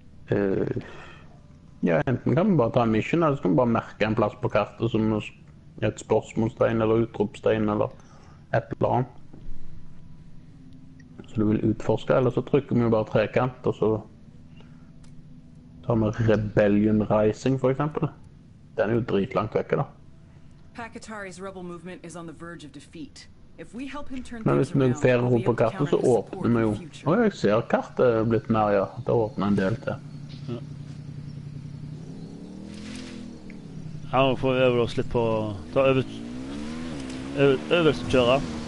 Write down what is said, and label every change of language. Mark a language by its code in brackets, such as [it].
[no] Ja, enten kan vi bare ta en mission, eller så kan vi bare merke en plass på kartet som et spørsmålstein, eller utropstein, eller et eller annet. Så du vil utforske, eller så trykker vi jo bare trekant, og så... Ta med Rebellion Rising, for eksempel. Den er jo dritlangt vekk, da. [en] Pacatari's rebel movement is on the verge of defeat. If we help him turn things around, we'll be able to count on the support in the future. [no] Åh, jeg ser kartet blitt mer, ja. Da åpner en del til. Ja, nå får vi øve oss litt på... Ta øvelse kjøre.